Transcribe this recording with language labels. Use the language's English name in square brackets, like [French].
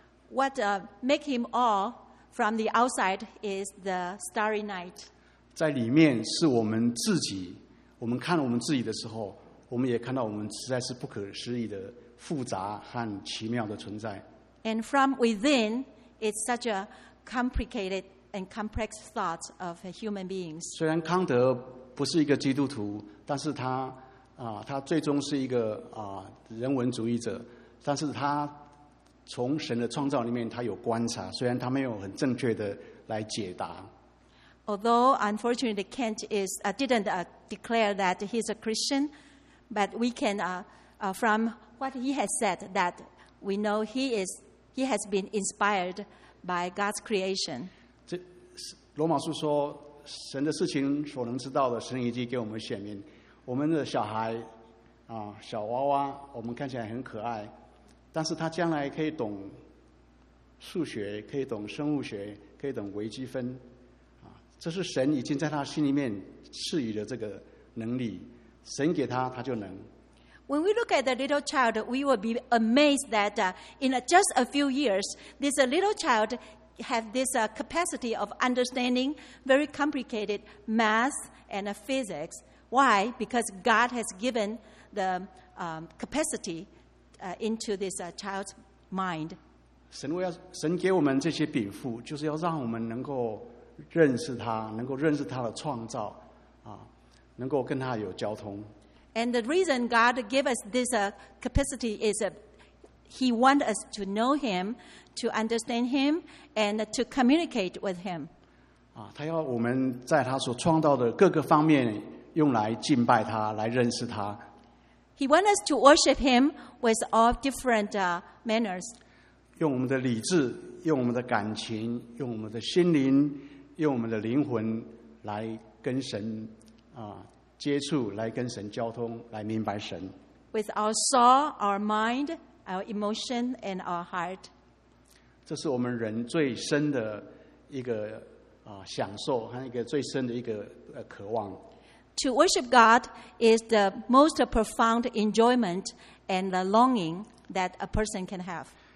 [English] What make him awe from the outside is the starry night. [Chinese] 在里面是我们自己，我们看我们自己的时候，我们也看到我们实在是不可思议的。复杂和奇妙的存在。 [English] And from within, it's such a complicated and complex thought of human beings. [Chinese] 虽然康德不是一个基督徒，但是他他最终是一个人文主义者。但是他从神的创造里面，他有观察，虽然他没有很正确的来解答。 [English] Although unfortunately, Kant didn't declare that he's a Christian, but we can from what he has said that we know he has been inspired by God's creation. [Chinese] 这罗马书说，神的事情所能知道的，神已经给我们显明。我们的小孩小娃娃，我们看起来很可爱，但是他将来可以懂数学，可以懂生物学，可以懂微积分，这是神已经在他心里面赐予的这个能力，神给他，他就能。 [English] When we look at the little child, we will be amazed that in just a few years, this little child have this capacity of understanding very complicated math and physics. Why? Because God has given the capacity into this child's mind. [Chinese] 神给我们这些禀赋，就是要让我们能够认识他，能够认识他的创造，能够跟他有交通。 [English] And the reason God gave us this capacity is He wants us to know Him, to understand Him, and to communicate with Him. [Chinese] 他要我们在他所创造的各个方面用来敬拜他，来认识他。 [English] He wants us to worship Him with all different manners. [Chinese] 用我们的理智，用我们的感情，用我们的心灵，用我们的灵魂来跟神接触，来跟神交通，来明白神。 [English] With our soul, our mind, our emotion, and our heart. [Chinese] 这是我们人最深的一个享受和一个最深的一个渴望。 [English] To worship God is the most profound enjoyment and the longing that a person can have.